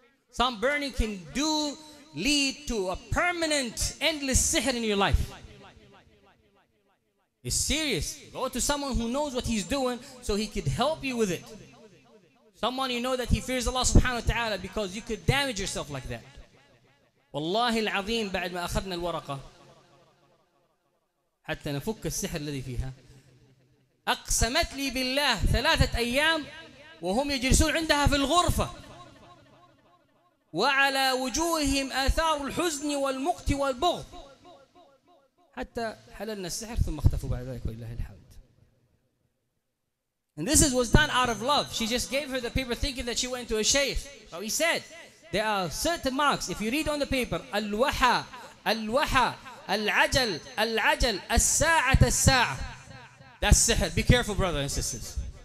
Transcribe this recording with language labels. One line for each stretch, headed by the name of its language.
English: Some burning can do lead to a permanent, endless sihr in your life. It's serious. Go to someone who knows what he's doing so he could help you with it. Someone you know that he fears Allah subhanahu wa ta'ala, because you could damage yourself like that.
Arabic: والله العظيم بعد ما أخذنا الورقة حتى نفك السحر الذي فيها أقسمت لي بالله ثلاثة أيام وهم يجلسون عندها في الغرفة وعلى وجوههم آثار الحزن والمقت والبغض حتى حللنا السحر ثم اختفوا بعد ذلك ولله الحمد.
English: And this is, was done out of love. She just gave her the paper thinking that she went to a sheikh. So he said, there are certain marks. If you read on the paper, al-waha, al-waha, al-ajal, al-ajal, al-sa'at, al-sa'at. That's sihr. Be careful, brothers and sisters.